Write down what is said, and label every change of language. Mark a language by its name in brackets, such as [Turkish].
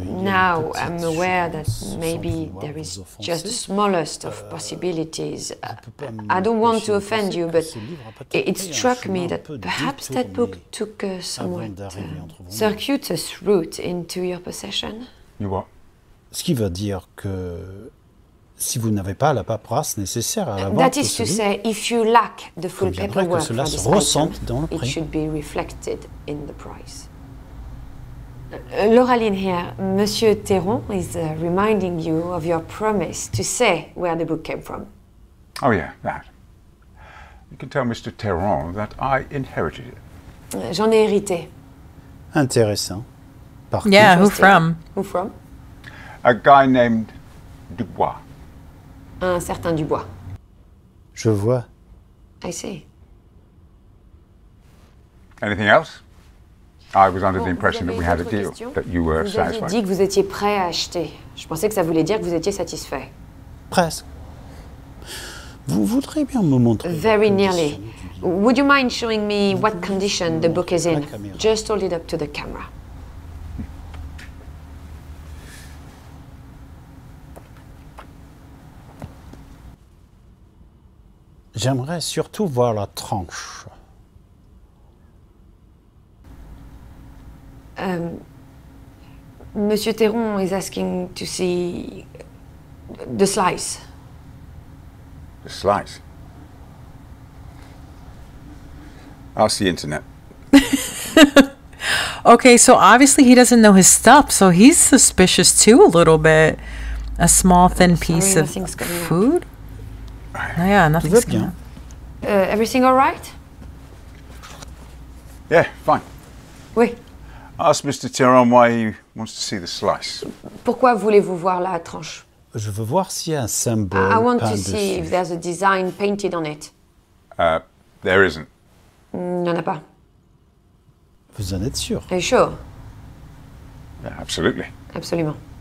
[English] Now I'm aware that maybe there is just the smallest of possibilities. I don't want to offend you, but it struck me that perhaps that book took a somewhat circuitous route into your possession. You what? [French] Ce qui veut dire que si vous n'avez pas la paperasse nécessaire à la vente, [English] that is to say, if you lack the full paperwork [French] que cela se ressente dans le prix. [English] It should be reflected in the price. Laureline here, Monsieur Théron is reminding you of your promise to say where the book came from. Oh yeah, that. You can tell Mr. Théron that I inherited it. [French] J'en ai hérité. Intéressant. [English] Par yeah, contre, who from? Who from? A guy named Dubois. [French] Un certain Dubois. Je vois. [English] I see. Anything else? I was under the impression that we had a deal, that you were satisfied. [French] Vous avez dit que vous étiez prêt à acheter. Je pensais que ça voulait dire que vous étiez satisfait. Presque. Vous voudriez bien me montrer. [English] Very nearly. Would you mind showing me what condition the book is in? Just hold it up to the camera. [French] J'aimerais surtout voir la tranche. [English] Monsieur Théron is asking to see the slice. The slice? I'll see internet. Okay, so obviously he doesn't know his stuff, so he's suspicious too a little bit. A small, thin piece of food? Oh, yeah, nothing's coming up. Everything all right? Yeah, fine. [French] Oui. [English] Ask Mr. Theron why he wants to see the slice. [French] Pourquoi voulez-vous voir la tranche? Je veux voir s'il y a un symbole. [English] I want to see if there's a design painted on it. There isn't. [French] Il n'y en a pas. Vous en êtes sûr? [English] Are you sure? Yeah, absolutely. [French] Absolument.